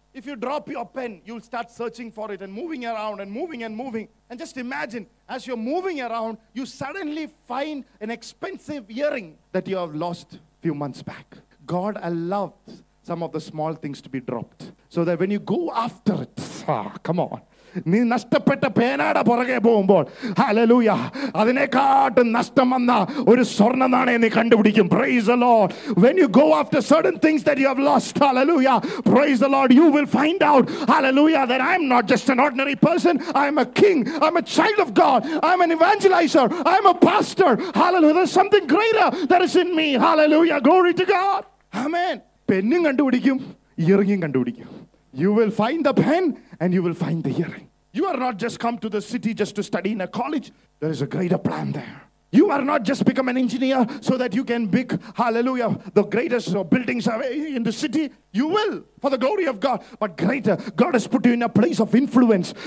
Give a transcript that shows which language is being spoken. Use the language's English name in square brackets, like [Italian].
[English] If you drop your pen, you'll start searching for it and moving around and moving and moving. And just imagine, as you're moving around, you suddenly find an expensive earring that you have lost a few months back. God allowed some of the small things to be dropped so that when you go after it, come on. [Malayalam] നീ നഷ്ടപ്പെട്ട പേനാട പുറകെ പോകുമ്പോൾ hallelujah അതിനെക്കാട്ടും നഷ്ടം വന്ന ഒരു സ്വർണ്ണ നാണയം നീ കണ്ടുപിടിക്കും. [English] Praise the Lord. When you go after certain things that you have lost, hallelujah, praise the Lord, you will find out, hallelujah, that I am not just an ordinary person, I am a king, I am a child of God, I am an evangeliser, I am a pastor, hallelujah, that something greater that is in me, hallelujah, glory to God. Amen. [Malayalam] പെന്നും കണ്ടുപിടിക്കും, ഇയറിംഗും കണ്ടുപിടിക്കും. [English] You will find the pen and you will find the earring. You are not just come to the city just to study in a college. There is a greater plan there. You are not just become an engineer so that you can build, hallelujah, the greatest buildings in the city. You will, for the glory of God. But greater, God has put you in a place of influence.